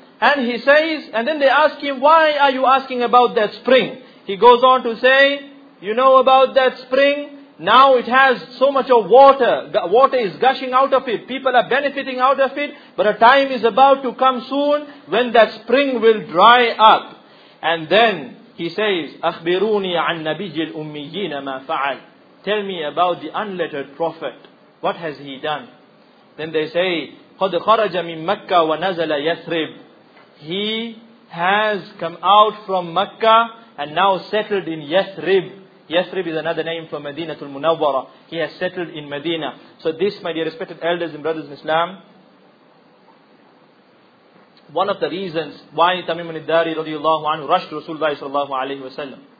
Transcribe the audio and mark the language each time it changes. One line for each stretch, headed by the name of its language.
English: And he says, and then they ask him, "Why are you asking about that spring?" He goes on to say, You know about that spring? Now it has so much of water. Water is gushing out of it. People are benefiting out of it. But a time is about to come soon when that spring will dry up. And then he says,
Arabic: أخبروني عن نبي الأميين ما فعل.
English: Tell me about the unlettered prophet. What has he done? Then they say,
Arabic: قد خرج من مكة ونزل يثرب.
English: He has come out from Mecca and now settled in Yathrib. Yathrib is another name for Madinatul Munawwara. He has settled in Medina. So this, my dear respected elders and brothers in Islam, one of the reasons why Tamim ibn Dari radiallahu anhu rushed Rasulullah sallallahu alayhi wa sallam.